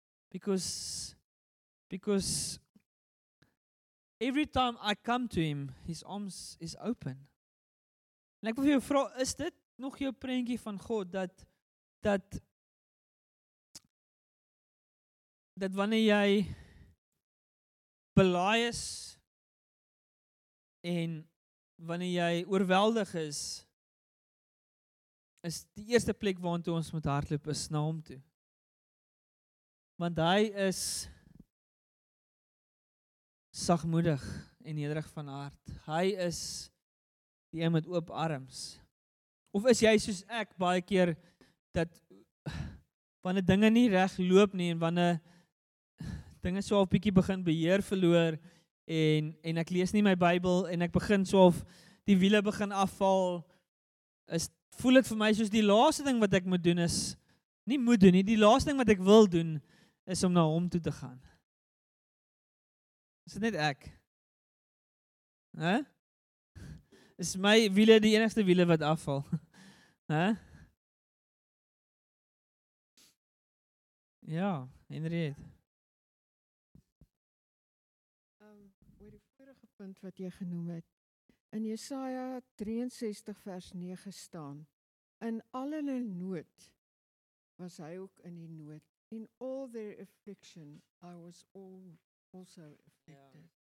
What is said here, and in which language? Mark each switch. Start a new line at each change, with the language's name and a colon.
English: Because every time I come to him, his arms is open.
Afrikaans: En ek wil vir jou vra, is dit nog jou prentjie van God, dat wanneer jy belaai is, en wanneer jy oorweldig is, is die eerste plek waarna ons moet hardloop, is na hom toe. Want hy is sagmoedig en nederig van hart. Hy is die een met oop arms. Of is jy soos ek baie keer, dat wanneer dinge nie reg loop nie, en wanneer dinge so al bietjie begin beheer verloor, en ek lees nie my Bybel, en ek begin so of die wiele begin afval, voel het vir my soos die laaste ding wat ek moet doen is, nie moet doen nie, die laaste ding wat ek wil doen, is om na hom toe te gaan. Is dit net ek? He? Is my wiele die enigste wiele wat afval? He? Ja, Henriette. Oor die vorige punt wat jy genoem het, in Jesaja 63:9 staan, in al hulle nood was hy ook in die nood.
English: In all their affliction, I was all also afflicted.